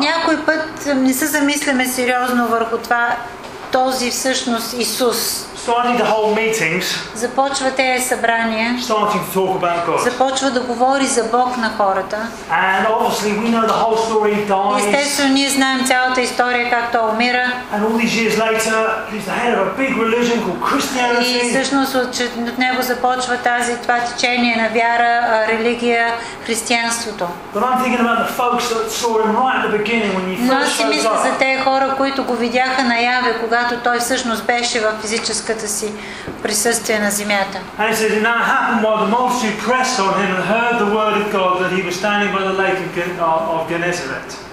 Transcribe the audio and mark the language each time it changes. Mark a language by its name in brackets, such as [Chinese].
[Bulgarian] Някой път не се замисляме сериозно върху това, този всъщност Исус. [English] Starting the whole meetings. [Bulgarian] Започва тези събрания. [English] Starting to talk about God. [Bulgarian] Започва да говори за Бог на хората. [English] And obviously we know the whole story. [Bulgarian] Естествено, ние знаем цялата история как той умира. [English] And all these years later, he's the head of a big religion called Christianity. [Bulgarian] И всъщност от него започва това течение на вяра, религия, християнството. [English] But I'm thinking about the folks that saw him right at the beginning when he first showed up. [Bulgarian] Но си мисля за тези хора, които го видяха наяве, когато той всъщност беше в физическа си присъствие на земята. [English] And it says, it now happened while the multitude pressed on him and heard the word of God that he was standing by the lake of Gennesaret.